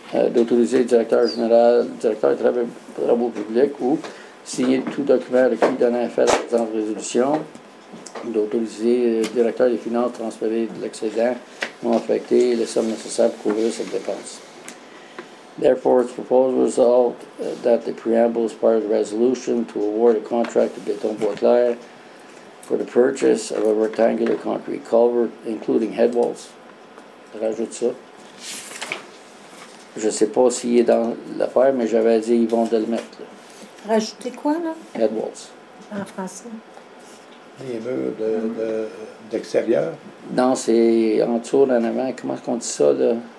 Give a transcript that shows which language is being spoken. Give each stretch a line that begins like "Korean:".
French: D'autoriser le directeur général, directeur des travaux publics ou signer tout document requis donnant effet à la présente résolution, d'autoriser le directeur des finances transférer de l'excédent non affecté les sommes nécessaires pour couvrir cette dépense.
English: Therefore, it's proposed resolved that the preamble is part of the resolution to award a contract to Béton Bois Clair for the purchase of a rectangular concrete culvert, including head walls.
French: Rajoute ça. Je ne sais pas s'il est dans l'affaire, mais j'avais dit qu'ils vont de le mettre. Rajouter quoi, là?
English: Head walls.
French: En français. Les murs d'extérieur? Non, c'est en dessous, en avant. Comment on dit ça, là?